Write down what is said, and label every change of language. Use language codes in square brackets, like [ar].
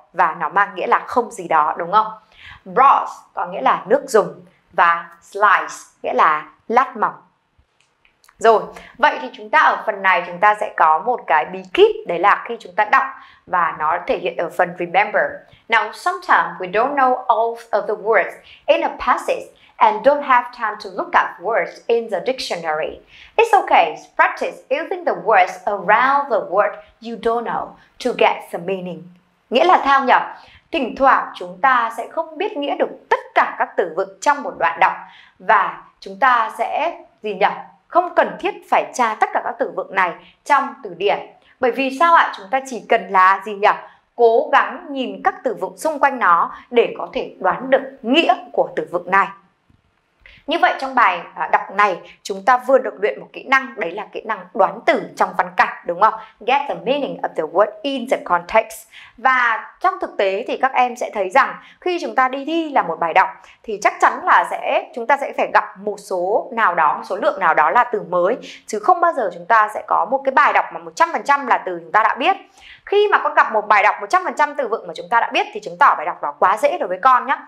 [vi] Và nó mang nghĩa là không gì đó, đúng không? Broth có nghĩa là nước dùng. Và slice nghĩa là lát mỏng. Rồi, vậy thì chúng ta ở phần này chúng ta sẽ có một cái bí kíp. Đấy là khi chúng ta đọc và nó thể hiện ở phần remember. [en] Now, sometimes we don't know all of the words in a passage and don't have time to look up words in the dictionary. It's okay, practice using the words around the word you don't know to get the meaning. [vi] Nghĩa là sao nhỉ? Thỉnh thoảng chúng ta sẽ không biết nghĩa được tất cả các từ vựng trong một đoạn đọc. Và chúng ta sẽ gì nhỉ? Không cần thiết phải tra tất cả các từ vựng này trong từ điển. Bởi vì sao ạ? Chúng ta chỉ cần là gì nhỉ? Cố gắng nhìn các từ vựng xung quanh nó để có thể đoán được nghĩa của từ vựng này. Như vậy trong bài đọc này, chúng ta vừa được luyện một kỹ năng, đấy là kỹ năng đoán từ trong văn cảnh, đúng không? [en] Get the meaning of the word in the context. [vi] Và trong thực tế thì các em sẽ thấy rằng khi chúng ta đi thi làm một bài đọc thì chắc chắn là chúng ta sẽ phải gặp một số nào đó, một số lượng nào đó là từ mới. Chứ không bao giờ chúng ta sẽ có một cái bài đọc mà 100% là từ chúng ta đã biết. Khi mà con gặp một bài đọc 100% từ vựng mà chúng ta đã biết thì chứng tỏ bài đọc đó quá dễ đối với con nhé.